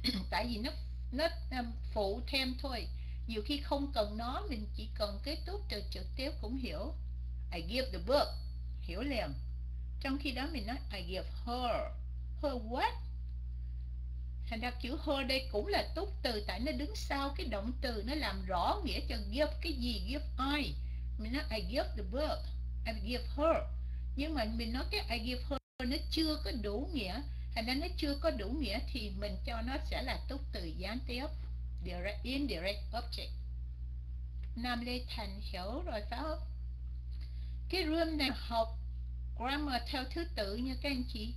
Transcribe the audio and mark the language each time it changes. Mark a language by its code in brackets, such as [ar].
[vi] Tại vì nó phụ thêm thôi. Nhiều khi không cần nó, mình chỉ cần cái tốt từ trực tiếp cũng hiểu. [en] I give the book. [vi] Hiểu liền. Trong khi đó mình nói [en] I give her. Her what? [vi] Thành ra chữ hơ đây cũng là túc từ, tại nó đứng sau cái động từ, nó làm rõ nghĩa cho give cái gì, give ai. Mình nói [en] I give the book, I give her. [vi] Nhưng mà mình nói cái [en] I give her [vi] nó chưa có đủ nghĩa. Thành ra nó chưa có đủ nghĩa thì mình cho nó sẽ là túc từ gián tiếp, [en] direct, indirect object. [vi] Nam Lê Thành hiểu rồi phải không? Cái room này học grammar theo thứ tự nha các anh chị.